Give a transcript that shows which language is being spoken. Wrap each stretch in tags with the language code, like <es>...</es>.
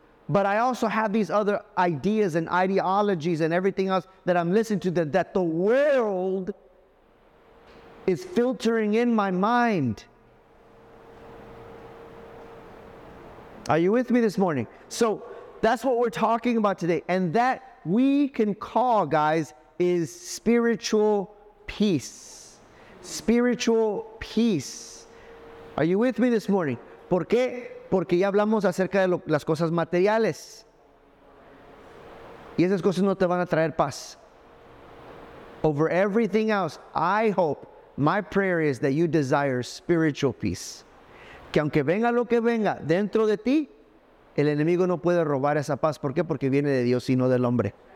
<en>But I also have these other ideas and ideologies and everything else that I'm listening to that the world is filtering in my mind. Are you with me this morning? So that's what we're talking about today. And that we can call, guys, is spiritual peace. Spiritual peace. Are you with me this morning?</en> <es>¿Por qué? Porque ya hablamos acerca de las cosas materiales. Y esas cosas no te van a traer paz.</es> <en>Over everything else, I hope, my prayer is that you desire spiritual peace.</en> <es>Que aunque venga lo que venga dentro de ti, el enemigo no puede robar esa paz. ¿Por qué? Porque viene de Dios y no del hombre.</es>